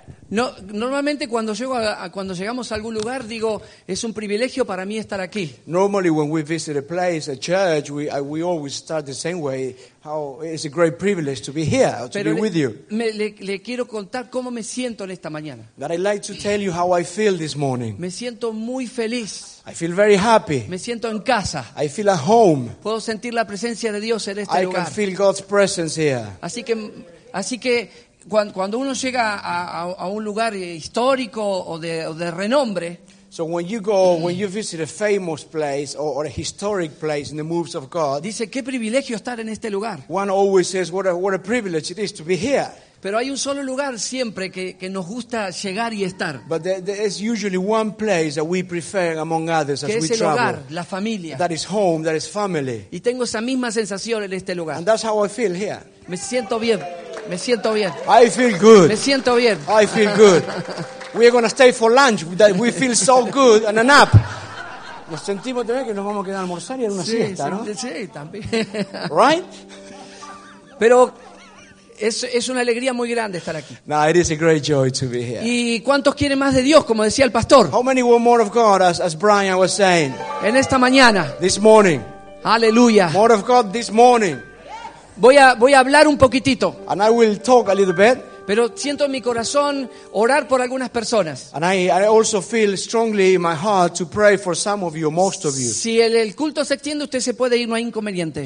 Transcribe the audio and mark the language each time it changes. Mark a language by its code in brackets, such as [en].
[es] No, normalmente cuando llegamos a algún lugar digo es un privilegio para mí estar aquí. [en] Normally when we visit a place, a church, we always start the same way. How it's a great privilege to be here, to [es] Pero [en] be with you. [es] Le quiero contar cómo me siento en esta mañana. [en] That I'd like to tell you how I feel this morning. [es] Me siento muy feliz. [en] I feel very happy. [es] Me siento en casa. [en] I feel at home. [es] Puedo sentir la presencia de Dios en este [en] I [es] lugar. [en] I can feel God's presence here. [es] Así que cuando uno llega a un lugar histórico o de renombre, [en] so when you go, when you visit a famous place or a historic place in the moves of God, [es] dice qué privilegio estar en este lugar. [en] One always says what a privilege it is to be here. [es] Pero hay un solo lugar siempre que nos gusta llegar y estar. [en] But there is usually one place that we prefer among others as we travel. [es] Que es el hogar, la familia. [en] That is home, that is family. [es] Y tengo esa misma sensación en este lugar. [en] And that's how I feel here. [es] Me siento bien. Me siento bien. [en] I feel good. [es] Me siento bien. [en] I feel good. We are going to stay for lunch. We feel so good and a nap. [es] Nos sentimos también que nos vamos a quedar a almorzar y a una siesta, ¿no? Sí, también. [en] Right? [es] Pero es una alegría muy grande estar aquí. [en] No, it is a great joy to be here. [es] ¿Y cuántos quieren más de Dios, como decía el pastor? [en] How many want more of God, as Brian was saying? [es] En esta mañana. [en] This morning. [es] Aleluya. [en] More of God this morning. [es] Voy a hablar un poquitito. [en] And I will talk a little bit. [es] Pero siento en mi corazón orar por algunas personas. [en] And I also feel strongly in my heart to pray for some of you, most of you. [es] Si el culto se extiende, usted se puede ir, no hay inconveniente.